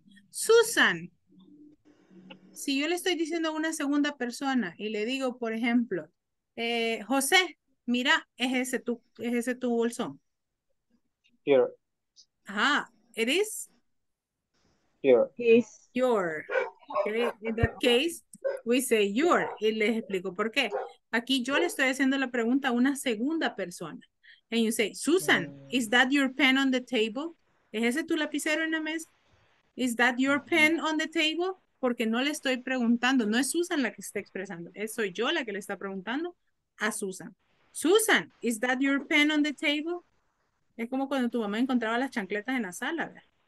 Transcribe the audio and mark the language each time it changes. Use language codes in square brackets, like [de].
[es] Susan, si yo le estoy diciendo a una segunda persona y le digo, por ejemplo, José, mira, es ese tu bolsón. [en] Here. Ajá, it is? Your. His. Your. Okay. In that case, we say your. [es] Y les explico por qué. Aquí yo le estoy haciendo la pregunta a una segunda persona. [en] And you say, Susan, is that your pen on the table? [es] ¿Es ese tu lapicero en la mesa? [en] Is that your pen on the table? [es] Porque no le estoy preguntando. No es Susan la que está expresando. Es soy yo la que le está preguntando a Susan. [en] Susan, is that your pen on the table? [es] Es como cuando tu mamá encontraba las chancletas en la sala, ¿verdad?